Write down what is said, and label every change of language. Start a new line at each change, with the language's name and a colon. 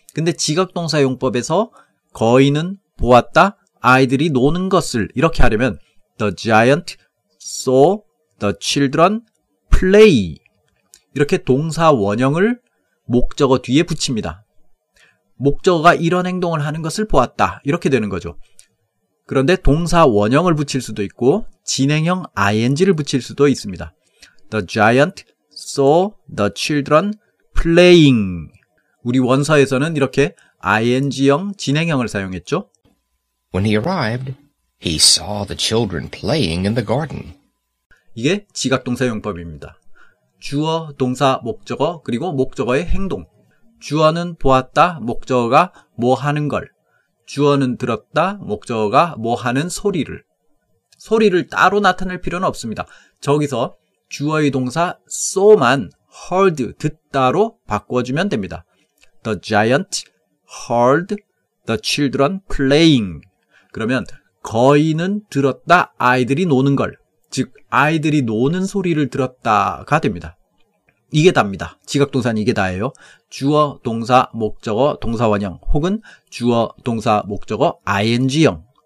Korean: 근데 지각동사 용법에서 거인은 보았다, 아이들이 노는 것을 이렇게 하려면
English: The giant saw the children play.
Korean: 이렇게 동사 원형을 목적어 뒤에 붙입니다. 목적어가 이런 행동을 하는 것을 보았다. 이렇게 되는 거죠. 그런데 동사 원형을 붙일 수도 있고 진행형 ing를 붙일 수도 있습니다.
English: The giant saw the children playing.
Korean: 우리 원서에서는 이렇게 ing형 진행형을 사용했죠.
English: When he arrived, he saw the children playing in the garden.
Korean: 이게 지각동사 용법입니다. 주어, 동사, 목적어, 그리고 목적어의 행동. 주어는 보았다, 목적어가 뭐 하는 걸. 주어는 들었다, 목적어가 뭐 하는 소리를. 소리를 따로 나타낼 필요는 없습니다. 저기서 주어의 동사 saw만 heard, 듣다로 바꿔주면 됩니다.
English: The giant heard the children playing.
Korean: 그러면 거인은 들었다, 아이들이 노는 걸. 즉 아이들이 노는 소리를 들었다가 됩니다. 이게 답니다. 지각동사는 이게 다예요. 주어, 동사, 목적어, 동사원형 혹은 주어, 동사, 목적어, ing형.